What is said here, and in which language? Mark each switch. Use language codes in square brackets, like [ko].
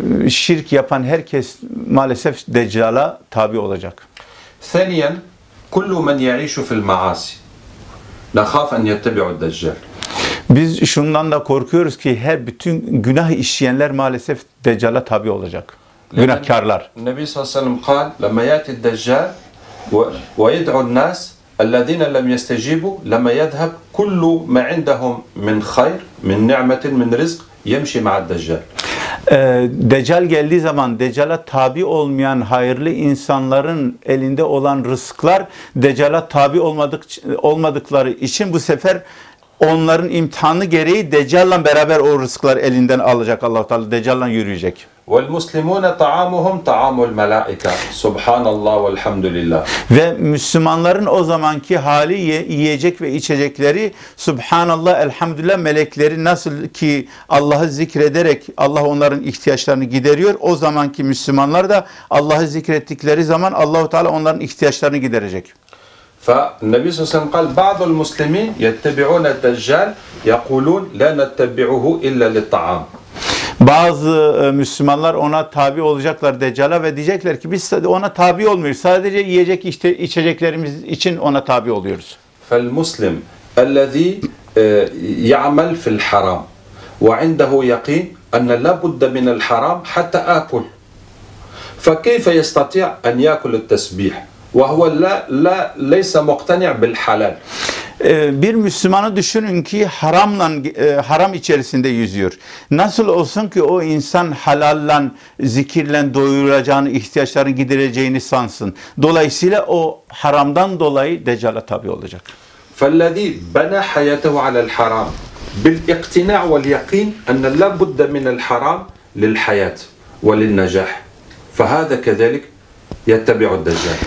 [tr] Şirk yapan herkes maalesef Deccal'a tabi olacak. [ar] ثَنِيًا كُلُّ مَنْ يَعِيشُ فِي الْمَعَاسِ نخاف أن يتبعوا الدجال. [tr] Biz şundan da korkuyoruz ki her bütün günah işleyenler maalesef Deccal'a tabi olacak. Günahkarlar. Nebi sallallahu aleyhi ve sellem [ar] قال لما يأتي الدجال ويدعو الناس الذين لم يستجيبوا لما يذهب كل ما عندهم من خير من نعمة من رزق يمشي مع الدجال. [tr] Deccal geldiği zaman Deccal'a tabi olmayan hayırlı insanların elinde olan rızıklar Deccal'a tabi olmadıkları için bu sefer onların imtihanı gereği Deccal'la beraber o rızıklar elinden alacak Allah-u Teala, Deccal'la yürüyecek. [ar] وَالْمُسْلِمُونَ طَعَامُهُمْ طَعَامُ الْمَلَائِكَةِ سُبْحَانَ اللّٰهُ وَالْحَمْدُ لِلّٰهِ. [tr] Ve Müslümanların o zamanki hali yiyecek ve içecekleri Subhanallah, Elhamdülillah, melekleri nasıl ki Allah'ı zikrederek Allah onların ihtiyaçlarını gideriyor, o zamanki Müslümanlar da Allah'ı zikrettikleri zaman Allah-u Teala onların ihtiyaçlarını giderecek. [ar] فالنبي صلى الله عليه وسلم قال بعض المسلمين يتبعون الدجال يقولون لا نتبعه إلا للطعام. [tr] Bazı Müslümanlar ona tabi olacaklar Deccal'a ve diyecekler ki biz ona tabi olmuyoruz. Sadece yiyecek içeceklerimiz için ona tabi oluyoruz. [ar] فالمسلم الذي يعمل في الحرام وعنده يقين أن لا بد من الحرام حتى آكل فكيف يستطيع أن يأكل التسبيح وهو لا ليس مقتنع بالحلال. [tr] Bir Müslümanı düşünün ki haramla, haram içerisinde yüzüyor. Nasıl olsun ki o insan halallan, zikirlen doyuracağını, ihtiyaçlarını gidereceğini sansın. Dolayısıyla o haramdan dolayı Deccal'a tabi olacak. [ar] فَالَّذ۪ي بَنَى حَيَاتَهُ عَلَى الْحَرَامِ بِالْاِقْتِنَعْ وَالْيَقِينِ اَنَّ لَا بُدَّ مِنَ الْحَرَامِ لِلْحَيَاتِ وَلِلْنَجَاحِ فَهَذَا كَذَلِكَ yettebi'u deccal.